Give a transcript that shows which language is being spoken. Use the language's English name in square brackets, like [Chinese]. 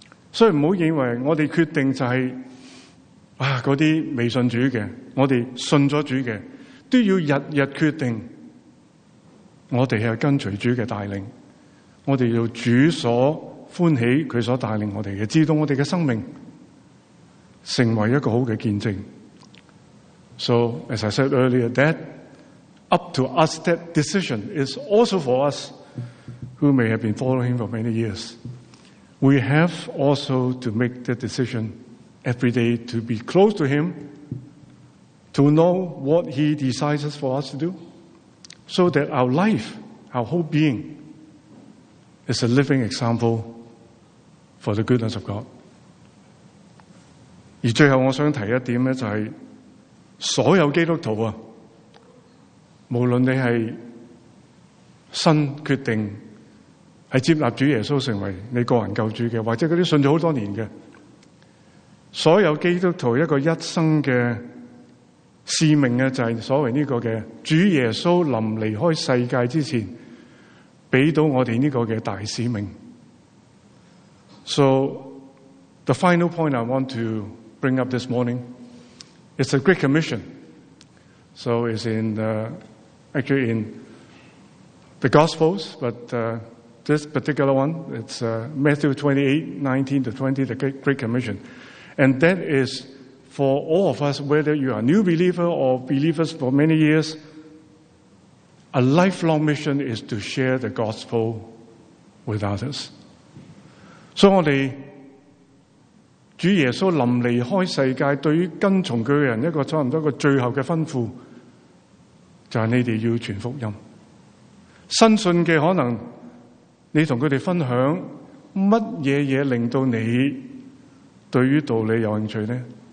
[Chinese] 所以不要认为我们决定就是、啊、那些未信主的，我们信了主的都要日日决定，我们是跟随主的带领，我们要主所欢喜，祂所带领我们的，知道我们的生命成为一个好的见证。 [English] So as I said earlier, that up to us, that decision is also for us who may have been following for many years. We have also to make the decision every day to be close to Him, to know what He decides for us to do, so that our life, our whole being, is a living example for the goodness of God. [Chinese] 而最后我想提一点，就是所有基督徒，无论你是新决定是接纳主耶稣成为你个人救主的，或者那些信了很多年的，所有基督徒一个一生的使命，就是所谓这个的主耶稣临离开世界之前给到我们这个的大使命。 [English] So the final point I want to bring up this morning, it's a great commission. So it's in actually in the Gospels, but this particular one, it's Matthew 28:19-20, the Great Commission. And that is for all of us, whether you are a new believer or believers for many years, a lifelong mission is to share the gospel with others. [Chinese] So, 主耶稣临离开世界，对于跟从他的人一个差不多一个最后的吩咐，就是你们要传福音。新信的可能你跟他们分享什么东西令到你对于道理有兴趣呢？